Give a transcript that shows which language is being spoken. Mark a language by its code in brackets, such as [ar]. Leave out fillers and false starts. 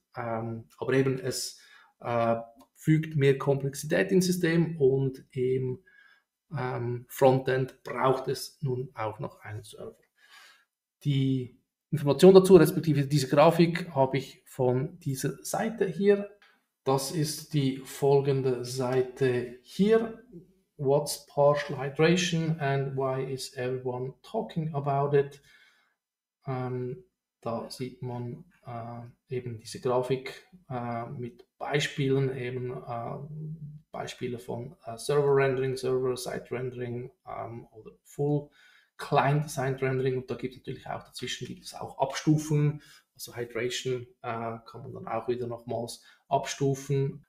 [de] Aber eben es fügt mehr Komplexität ins System und eben Frontend braucht es nun auch noch einen Server. Die Information dazu, respektive diese Grafik, habe ich von dieser Seite hier. Das ist die folgende Seite hier. [en] What's partial hydration and why is everyone talking about it? [de] Da sieht man eben diese Grafik mit Beispielen eben, Beispiele von Server-Rendering, Server-Side-Rendering oder Full-Client-Side-Rendering und da gibt es natürlich auch dazwischen gibt es auch Abstufen, also Hydration kann man dann auch wieder nochmals abstufen.